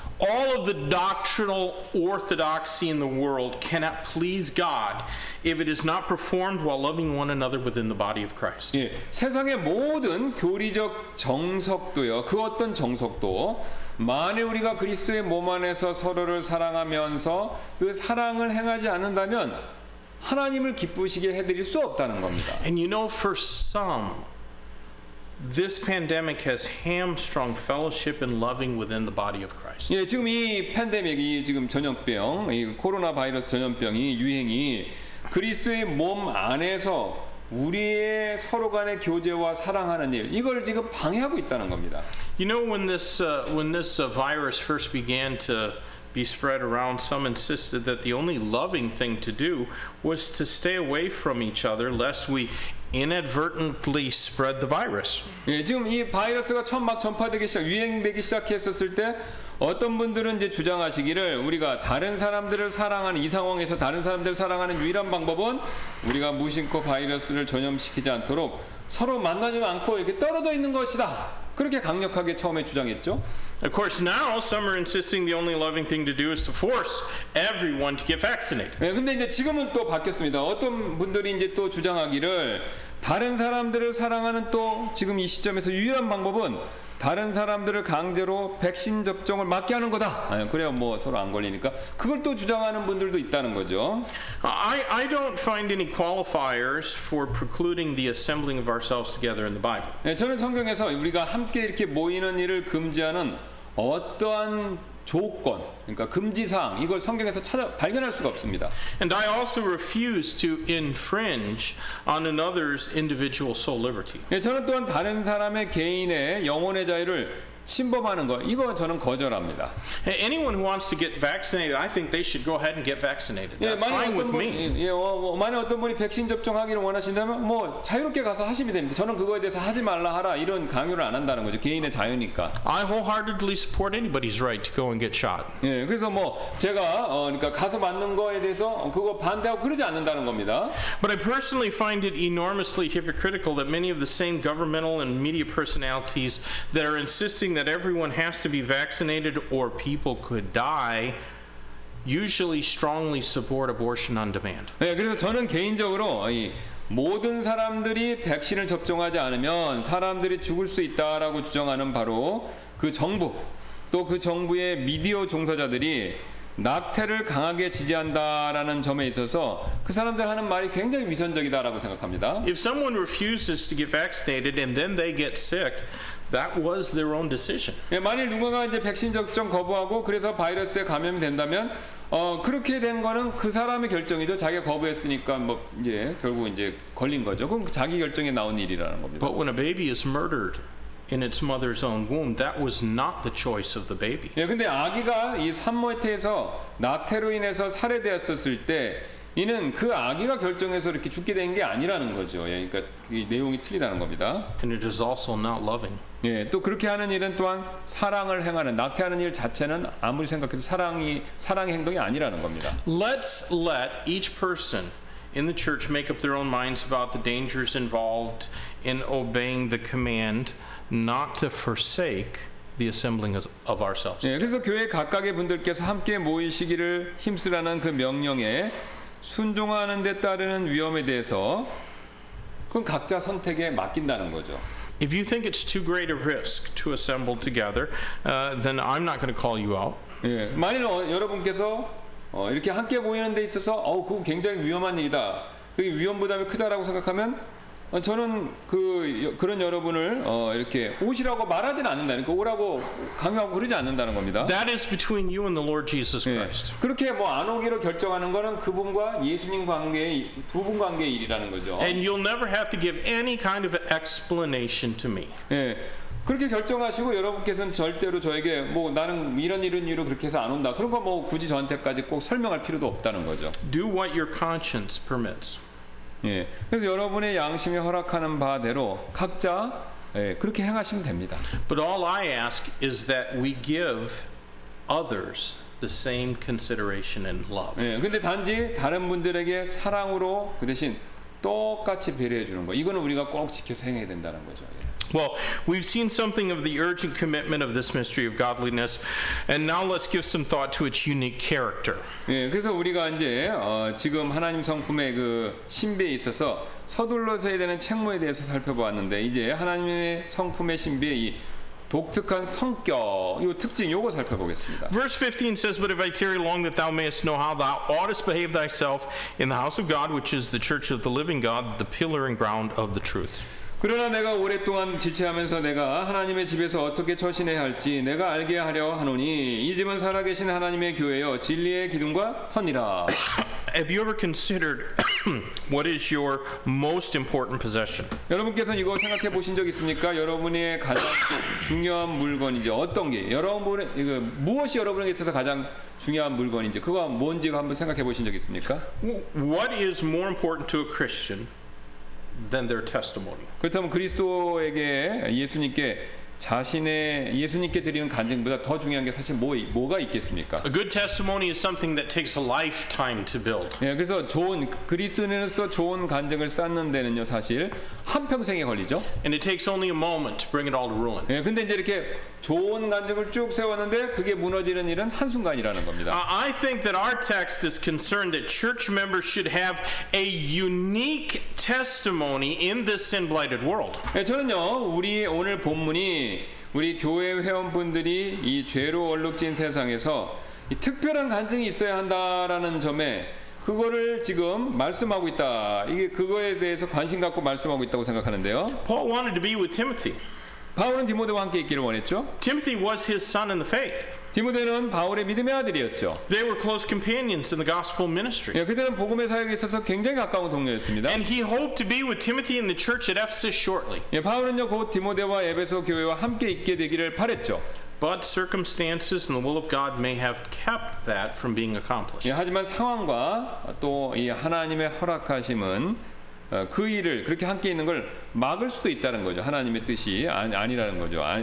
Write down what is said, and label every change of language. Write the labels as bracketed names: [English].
[English] All of the doctrinal orthodoxy in the world cannot please God if it is not performed while loving one another within the body of Christ. [Korean] 예, 세상의 모든 교리적 정석도요, 그 어떤 정석도 만일 우리가 그리스도의 몸 안에서 서로를 사랑하면서 그 사랑을 행하지 않는다면 하나님을 기쁘시게 해드릴 수 없다는 겁니다. [English] And you know, for some, this pandemic has hamstrung fellowship and loving within the body of Christ. [Korean] 예, 지금 이 팬데믹이 지금 전염병, 이 코로나 바이러스 전염병이 유행이 그리스도의 몸 안에서 우리의 서로 간의 교제와 사랑하는 일 이걸 지금 방해하고 있다는 겁니다. [English] You know when this virus first began to be spread around, some insisted that the only loving thing to do was to stay away from each other lest we inadvertently spread the virus. [Korean] 예, 지금 이 바이러스가 처음 막 전파되기 시작, 유행되기 시작했었을 때 어떤 분들은 이제 주장하시기를 우리가 다른 사람들을 사랑하는 이 상황에서 다른 사람들을 사랑하는 유일한 방법은 우리가 무심코 바이러스를 전염시키지 않도록 서로 만나지 않고 이렇게 떨어져 있는 것이다. 그렇게 강력하게 처음에 주장했죠. [English] Of course, now some are insisting the only loving thing to do is to force everyone to get vaccinated. [Korean] 네, 근데 이제 지금은 또 바뀌었습니다. 어떤 분들이 이제 또 주장하기를 다른 사람들을 사랑하는 또 지금 이 시점에서 유일한 방법은 다른 사람들을 강제로 백신 접종을 맞게 하는 거다. 아니, 그래야 뭐 서로 안 걸리니까 그걸 또 주장하는 분들도 있다는 거죠. [English] I don't find any qualifiers for precluding the assembling of ourselves together in the Bible. [Korean] 네, 저는 성경에서 우리가 함께 이렇게 모이는 일을 금지하는 어떠한 조건, 그러니까 금지사항 이걸 성경에서 찾아 발견할 수가 없습니다. [English] And I also refuse to infringe on another's individual soul liberty. [Korean] 예, 저는 또한 다른 사람의 개인의 영혼의 자유를 침범하는 거 이거 저는 거절합니다. [English] Anyone who wants to get vaccinated, I think they should go ahead and get vaccinated. That's fine with me. [Korean] 예, 만약 어떤 분이 백신 접종하기를 원하신다면 뭐 자유롭게 가서 하시면 됩니다. 저는 그거에 대해서 하지 말라 하라 이런 강요를 안 한다는 거죠. 개인의 자유니까. [English] I wholeheartedly support anybody's right to go and get shot. [Korean] 예, 그래서 뭐 제가 그러니까 가서 맞는 거에 대해서 그거 반대하고 그러지 않는다는 겁니다. [English] But I personally find it enormously hypocritical that many of the same governmental and media personalities that are insisting that everyone has to be vaccinated or people could die usually strongly support abortion on demand. [Korean] 네, 그래서 저는 개인적으로 이 모든 사람들이 백신을 접종하지 않으면 사람들이 죽을 수 있다라고 주장하는 바로 그 정부 또 그 정부의 미디어 종사자들이 낙태를 강하게 지지한다라는 점에 있어서 그 사람들 하는 말이 굉장히 위선적이다라고 생각합니다. [English] If someone refuses to get vaccinated and then they get sick, that was their own decision. [Korean] 예, 만일 누군가 이제 백신 접종 거부하고 그래서 바이러스에 감염이 된다면 그렇게 된 거는 그 사람의 결정이죠. 자기가 거부했으니까 뭐 이제 결국 이제 걸린 거죠. 그건 자기 결정에 나온 일이라는 겁니다. [English] But when a baby is murdered in its mother's own womb, that was not the choice of the baby. [Korean] 예, 근데 아기가 이 산모태에서 낙태로 인해서 살해되었었을 때 이는 그 아기가 결정해서 이렇게 죽게 된 게 아니라는 거죠. 예, 그러니까 이 내용이 틀리다는 겁니다. [English] And it is also not loving. [Korean] 예, 또 그렇게 하는 일은 또한 사랑을 행하는 낙태하는 일 자체는 아무리 생각해도 사랑의 행동이 아니라는 겁니다. [English] Let's let each person in the church make up their own minds about the dangers involved in obeying the command not to forsake the assembling of ourselves. [Korean] 예, 그래서 교회 각각의 분들께서 함께 모이시기를 힘쓰라는 그 명령에 순종하는 데 따르는 위험에 대해서 그건 각자 선택에 맡긴다는 거죠. [English] If you think it's too great a risk to assemble together, then I'm not going to call you out. [Korean] 예, 만일 여러분께서 이렇게 함께 모이는 데 있어서 그거 굉장히 위험한 일이다. 그게 위험 부담이 크다라고 생각하면 저는 그런 여러분을 이렇게 오시라고 말하진 않는다. 그러니까 오라고 강요하고 그러지 않는다는 겁니다. [English] That is between you and the Lord Jesus Christ. [Korean] 예, 그렇게 뭐 안 오기로 결정하는 거는 그분과 예수님 관계의 두 분 관계의 일이라는 거죠. [English] And you'll never have to give any kind of explanation to me. [Korean] 예. 그렇게 결정하시고 여러분께서는 절대로 저에게 뭐 나는 이런 이유로 그렇게 해서 안 온다. 그런 거 뭐 굳이 저한테까지 꼭 설명할 필요도 없다는 거죠. [English] Do what your conscience permits. [Korean] 예, 그래서 여러분의 양심이 허락하는 바대로 각자 예, 그렇게 행하시면 됩니다. [English] But all I ask is that we give others the same consideration and love. [Korean] 예, 근데 단지 다른 분들에게 사랑으로 그 대신 똑같이 배려해 주는 거. 이거는 우리가 꼭 지켜서 행해야 된다는 거죠. 예. [English] Well, we've seen something of the urgent commitment of this mystery of godliness, and now let's give some thought to its unique character. [Korean] 예, 그래서 우리가 이제 지금 하나님 성품의 그 신비에 있어서 서둘러서 해야 되는 책무에 대해서 살펴보았는데 이제 하나님의 성품의 신비의 이 독특한 성격, 요 특징 요거 살펴보겠습니다. [English] Verse 15 says, "But if I tarry long, that thou mayest know how thou oughtest behave thyself in the house of God, which is the church of the living God, the pillar and ground of the truth." [Korean] 그러나 내가 오랫동안 지체하면서 내가 하나님의 집에서 어떻게 처신해야 할지 내가 알게 하려 하노니 이 집은 살아계신 하나님의 교회여 진리의 기둥과 터니라. [English] Have you ever considered what is your most important possession? [Korean] 여러분께서 이거 생각해 보신 적 있습니까? 여러분의 가장 중요한 물건인지 어떤 게 여러분의 이거 무엇이 여러분에게 있어서 가장 중요한 물건인지 그거 뭔지 한번 생각해 보신 적 있습니까? [English] What is more important to a Christian than their testimony? [Korean] 그렇다면 그리스도에게 예수님께 자신의 예수님께 드리는 간증보다 더 중요한 게 사실 뭐가 있겠습니까? [English] A good testimony is something that takes a lifetime to build. [Korean] 예, 그래서 좋은 그리스도인으로서 좋은 간증을 쌓는 데는요 사실 한 평생에 걸리죠. [English] And it takes only a moment to bring it all to ruin. [Korean] 예, 근데 이제 이렇게 좋은 간증을 쭉 세웠는데 그게 무너지는 일은 한순간이라는 겁니다. [English] I think that our text is concerned that church members should have a unique testimony in this sin-blighted world. [Korean] 예, 저는요, 우리 오늘 본문이 우리 교회 회원분들이 이 죄로 얼룩진 세상에서 이 특별한 간증이 있어야 한다라는 점에 그거를 지금 말씀하고 있다. 이게 그거에 대해서 관심 갖고 말씀하고 있다고 생각하는데요. [English] Paul wanted to be with Timothy. [Korean] 바울은 디모데와 함께 있기를 원했죠. [English] Timothy was his son in the faith. [Korean] 디모데는 바울의 믿음의 아들이었죠. [English] They were close companions in the gospel ministry. [Korean] 예, 그들은 복음의 사역에 있어서 굉장히 가까운 동료였습니다. [English] And he hoped to be with Timothy in the church at Ephesus shortly. [Korean] 예, 바울은요 곧 디모데와 에베소 교회와 함께 있게 되기를 바랬죠. [English] But circumstances and the will of God may have kept that from being accomplished. [Korean] 예, 하지만 상황과 또 이 하나님의 허락하심은 그 일을 그렇게 함께 있는 걸 막을 수도 있다는 거죠. 하나님의 뜻이 아니라는 거죠.